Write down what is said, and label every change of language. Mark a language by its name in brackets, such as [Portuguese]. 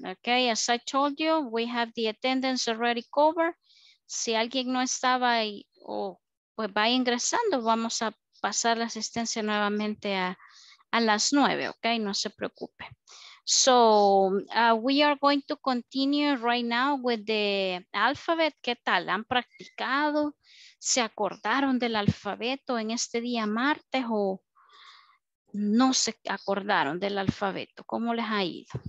[English] Okay, as I told you, we have the attendance already covered. [Spanish] Si alguien no estaba ahí, pues va ingresando, vamos a pasar la asistencia nuevamente a las 9, okay? No se preocupe. [English] So, we are going to continue right now with the alphabet. [Spanish] ¿Qué tal? ¿Han practicado? ¿Se acordaron del alfabeto en este día martes o no se acordaron del alfabeto? ¿Cómo les ha ido?